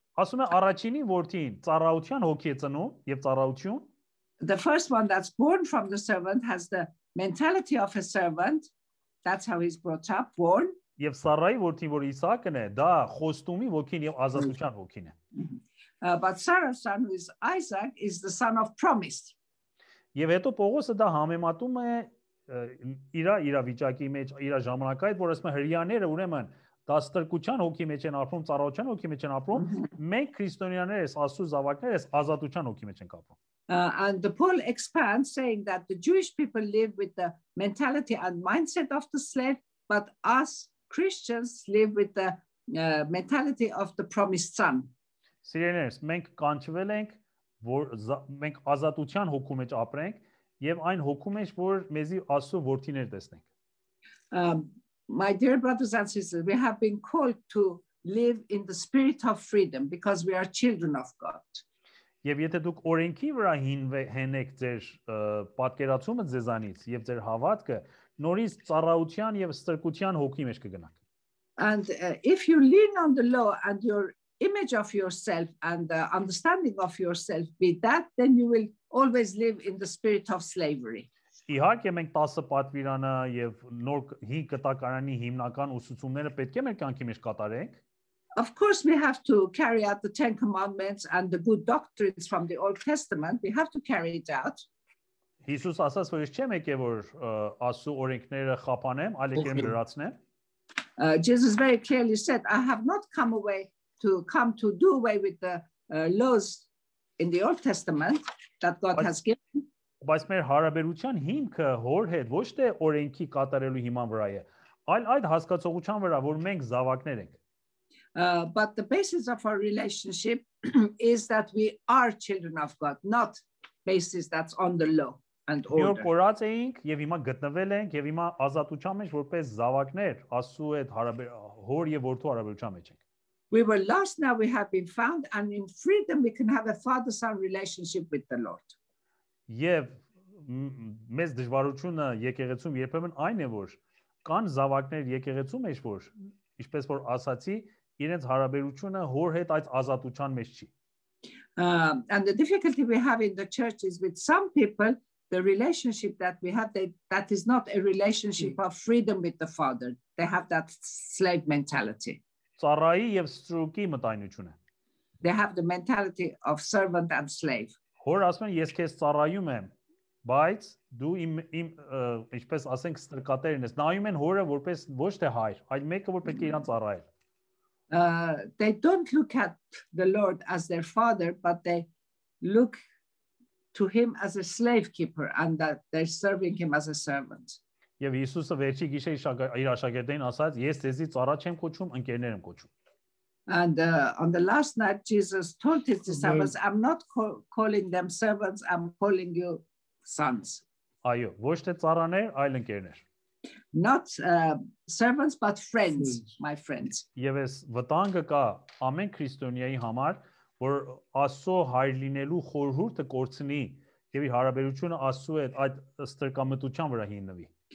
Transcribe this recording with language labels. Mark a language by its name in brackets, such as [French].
[Armenian] Ասում է առաջինի որդին ծառայության հոգի է ծնում եւ ծառայություն. [English] The first one that's born from the servant has the mentality of a servant. That's how he's brought up, born. [Armenian] Եվ Սառայի որդին, որ Իսահակն է, դա խոստումի հոգին եւ ազատության հոգին է. [English] But Sarah's son, who is Isaac, is the son of promise. [Armenian] Եվ հետո Պողոսը դա համեմատում է իր իրավիճակի մեջ, իր ժամանակային, որ ասում է հրեաները, ուրեմն դաստրկության հոգի մեջ են ապրում, ծառայության հոգի մեջ են ապրում, մենք քրիստոնյաներս, Աստուծո զավակներս, ազատության հոգի մեջ ենք ապրում։ [English] And the Paul expands saying that the Jewish people live with the mentality and mindset of the slave, but us Christians live with the mentality of the promised son. [Armenian] Սիրիներս, մենք կանչվել ենք, որ մենք ազատության հոգու մեջ ապրենք եւ այն հոգու մեջ, որ մեզի Աստուծո որդիներ տեսնենք։ [English] My dear brothers and sisters, we have been called to live in the spirit of freedom because we are children of God. [Armenian] Եվ եթե դուք օրենքի վրա հենեք ձեր պատկերացումը ձեզանից եւ ձեր հավատքը, նորից ծառայության եւ ստրկության հոգի մեջ կգնաք. [English] And if you lean on the law and your image of yourself and the understanding of yourself be that, then you will always live in the spirit of slavery. [Armenian] Իհարկե մենք 10 պատվիրանը եւ նոր 5 կտակարանի հիմնական ուսուցումները պետք է մեր կյանքի մեջ կատարենք։ [English] Of course we have to carry out the 10 commandments and the good doctrines from the Old Testament. We have to carry it out. [Armenian] Հիսուս ասաց, որ ես չեմ եկել, որ Աստծո օրենքները խափանեմ, այլ եկել լրացնեմ։ [English] Jesus very clearly said, I have not come away to come to do away with the laws in the Old Testament that God has given. [Armenian] Բայց մեր հարաբերության հիմքը հոր հետ ոչ թե օրենքի կատարելու հիման վրա է, այլ այդ հասկացողության վրա, որ մենք զավակներ ենք։ [English] But the basis of our relationship is that we are children of God, not basis that's on the law and order. [Armenian] Մենք կորած ենք եւ հիմա գտնվել ենք եւ հիմա ազատության մեջ որպես զավակներ, Աստծու հետ հարաբեր հոր եւ որդու հարաբերության մեջ ենք։ [English] We were lost, now we have been found, and in freedom we can have a father-son relationship with the Lord. [Armenian] Եվ մեծ դժվարությունը եկեղեցում երբեմն այն է, որ կան զավակներ եկեղեցում էլ, որ ինչպես որ ասացի, իրենց հարաբերությունը հոր հետ այդ ազատության մեջ չի։ [English] And the difficulty we have in the church is with some people the relationship that we have, that is not a relationship of freedom with the father. They have that slave mentality. [Armenian] Սարայի եւ Սրուկի մտայնությունը. [English] They have the mentality of servant and slave. [Armenian] Որ ասում են ես քեզ ծառայում եմ, բայց դու իմ ինչպես ասենք ստրկատերն ես, նայում են հորը որպես ոչ թե հայր, այլ մեկը որ պետք է իրան ծառայի։ [English] They don't look at the Lord as their father, but they look to him as a slave keeper and that they're serving him as a servant. [Armenian] Եվ Հիսուսը վերջի գիշեր իր աշակերտներին ասաց, ես ձեզի ծառա չեմ կոչում, ընկերներ եմ կոչում։ [English] And on the last night, Jesus told his disciples, I'm not calling them servants, I'm calling you sons. [Armenian] Այո, ոչ թե ծառաներ, այլ ընկերներ. [English] Not servants, but friends, my friends. [Armenian] Եվ ես վտանգը կա ամեն քրիստոնյայի համար, որ Աստծո հայր լինելու խորհուրդը կորցնի եւ իր հարաբերությունը Աստծո հետ այդ ստրկամտության վրա հիմնվի։